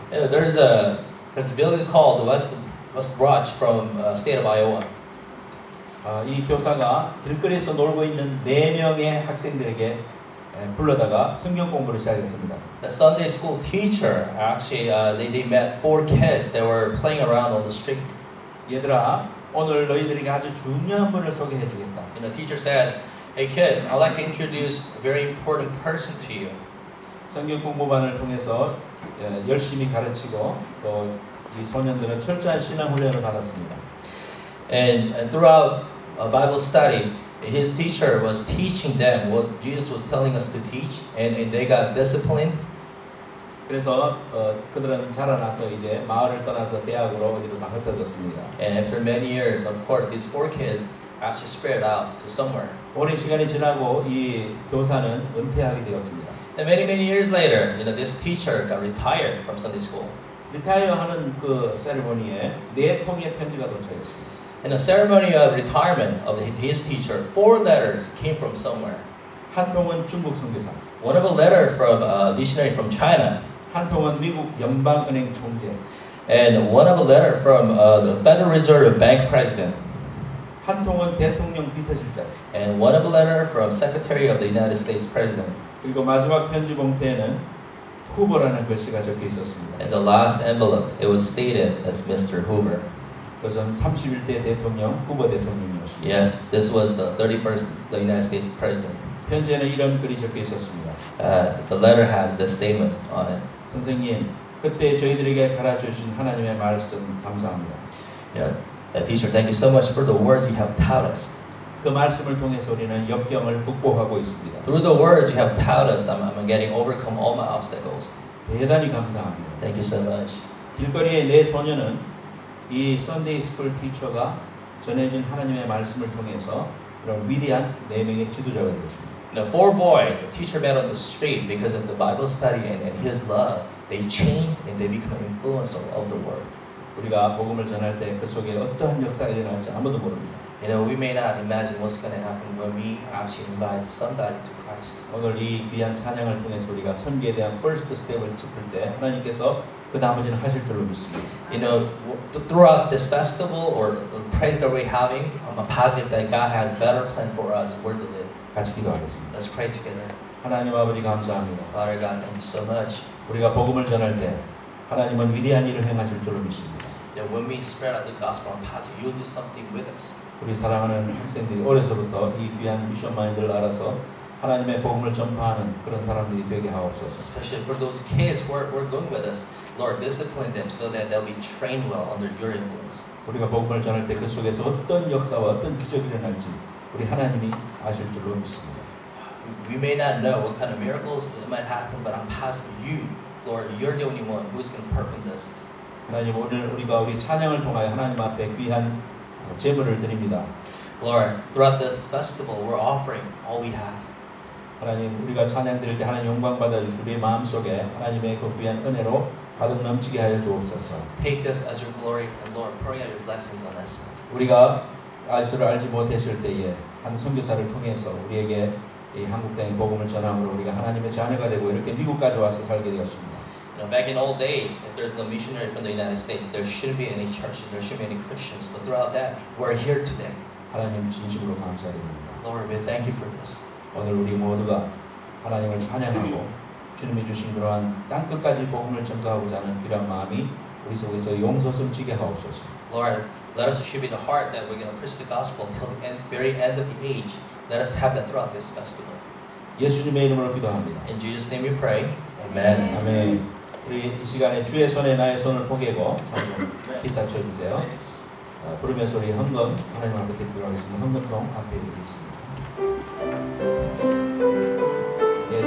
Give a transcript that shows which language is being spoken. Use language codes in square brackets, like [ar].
[en] You know, there's a village called West Branch from state of Iowa. [ko] 이 교사가 길거리에서 놀고 있는 네 명의 학생들에게 불러다가 성경 공부를 시작했습니다. [en] The Sunday school teacher actually they met four kids. They were playing around on the street. [ko] 얘들아, 오늘 너희들에게 아주 중요한 분을 소개해 주겠다. [en] And the teacher said, "Hey kids, I'd like to introduce a very important person to you." [ko] 성경 공부반을 통해서 열심히 가르치고 또 이 소년들은 철저한 신앙 훈련을 받았습니다. [en] And throughout a Bible study, his teacher was teaching them what Jesus was telling us to teach, and they got disciplined. [ko] 그래서 그들은 자라나서 이제 마을을 떠나서 대학으로 어디로 다 흩어졌습니다. [en] And after many years, of course, these four kids actually spread out to somewhere. [ko] 오랜 시간이 지나고 이 교사는 은퇴하게 되었습니다. [en] And many, many years later, you know, this teacher got retired from Sunday school. [ko] 리타이어하는 그 세리머니에 네 통의 편지가 도착했습니다. [en] In a ceremony of retirement of his teacher, four letters came from somewhere. [ko] 한 통은 중국 선교사. [en] One of a letter from a missionary from China. [ko] 한 통은 미국 연방은행 총재. [en] And one of a letter from the Federal Reserve Bank president. [ko] 한 통은 대통령 비서실장. [en] And one of a letter from Secretary of the United States president. [ko] 그리고 마지막 편지 봉투에는 후보라는 글씨가 적혀 있었습니다. [en] And the last envelope, it was stated as Mr. Hoover. [ko] 그전 31대 대통령 후보 대통령이었습니다. [en] Yes, this was the 31st the United States president. [ko] 편지에는 이런 글이 적혀 있었습니다. [en] The letter has this statement on it. [ko] 선생님, 그때 저희들에게 가르쳐 주신 하나님의 말씀 감사합니다. [en] Yeah, teacher, thank you so much for the words you have taught us. [ko] 그 말씀을 통해서 우리는 역경을 극복하고 있습니다. [en] Through the words you have taught us, I'm getting overcome all my obstacles. [ko] 대단히 감사합니다. [en] Thank you so much. [ko] 길거리의 네 소년은 이 Sunday School Teacher가 전해준 하나님의 말씀을 통해서 그런 위대한 네 명의 지도자가 되었습니다. [en] The four boys, the teacher met on the street because of the Bible study and his love, they changed and they became influencers of the world. [ko] 우리가 복음을 전할 때 그 속에 어떠한 역사가 일어날지 아무도 모릅니다. [en] You know, we may not imagine what's going to happen when we actually invite somebody to Christ. [ko] 오늘 이 귀한 찬양을 통해서 우리가 선교에 대한 [en] first step [ko] 을 짚을 때 하나님께서 그 나머지는 하실 줄로 믿습니다. [en] You know, throughout this festival or the praise that we're having, I'm positive that God has better plan for us. We're to live. [ko] 같이 기도하겠습니다. [en] Let's pray together. [ko] 하나님 아버지 감사합니다. [en] Father God, thank you so much. [ko] 우리가 복음을 전할 때 하나님은 위대한 일을 행하실 줄로 믿습니다. [en] Yeah, when we spread out the gospel, I'm positive you'll do something with us. [ko] 우리 사랑하는 학생들이 어려서부터 이 귀한 미션 마인드를 알아서 하나님의 복음을 전파하는 그런 사람들이 되게 하옵소서. [en] Especially for those kids who are going with us. Lord, discipline them so that they'll be trained well under your influence. [ko] 우리가 복음을 전할 때 그 속에서 어떤 역사와 어떤 기적이 일어날지 우리 하나님이 아실 줄로 믿습니다. [en] We may not know what kind of miracles might happen, but I'm positive you, Lord, you're the only one who's going to perform this. [ko] 하나님, 오늘 우리가 우리 찬양을 통하여 하나님 앞에 귀한 제물을 드립니다. [en] Lord, throughout this festival, we're offering all we have. [ko] 하나님, 우리가 찬양 드릴 때 하나님 영광 받아주시고 우리의 마음속에 하나님의 그 귀한 은혜로 가득 넘치게 하여 주옵소서. [en] Take this as your glory, and Lord, pour out your blessings on us. [ko] 우리가 예수를 알지 못했을 때에 한 선교사를 통해서 우리에게 이 한국 땅의 복음을 전함으로 우리가 하나님의 자녀가 되고 이렇게 미국까지 와서 살게 되었습니다. [en] You know, back in old days, if there's no missionary from the United States, there shouldn't be any churches, there shouldn't be any Christians. But throughout that, we're here today. [ko] 하나님 진심으로 감사드립니다. [en] Lord, we thank you for this. [ko] 오늘 우리 모두가 하나님을 찬양하고 주님이 주신 그러한 땅 끝까지 복음을 전파하고자 하는 이런 마음이 우리 속에서 용서 숨지게 하옵소서. [en] Lord, let us should be the heart that we're going to preach the gospel till the very end of the age. Let us have that throughout this festival. [ko] 예수님의 이름으로 기도합니다. [en] In Jesus' name we pray. Amen. [ko] 아멘. 우리 이 시간에 주의 손에 나의 손을 포개고 기타 쳐주세요. 부르면서 우리 헌금 하나님 앞에 드리도록 하겠습니다. 헌금통 앞에 드리겠습니다.